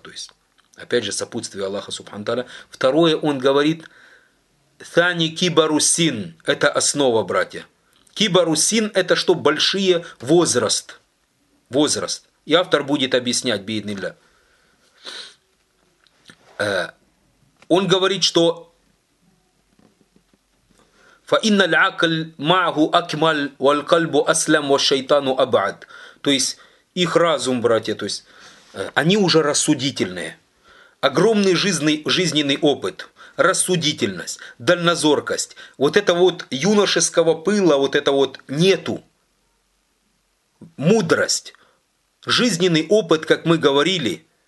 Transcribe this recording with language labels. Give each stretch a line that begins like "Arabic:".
Russian: То есть, опять же, сопутствие Аллаха субхану тааля. Второе, он говорит, тани кибарусин, это основа, братья. Кибарусин, это что, большие возраст. Возраст. И автор будет объяснять, бейдни ля. Он говорит, что
Arabic: فإن العقل معه أكمل والقلب أسلم والشيطان أبعد.
Russian: То есть их разум, братья, то есть они уже рассудительные. Огромный жизненный опыт, рассудительность, дальнозоркость. Вот это вот юношеского пыла, вот это вот нету. Мудрость, жизненный опыт, как мы говорили.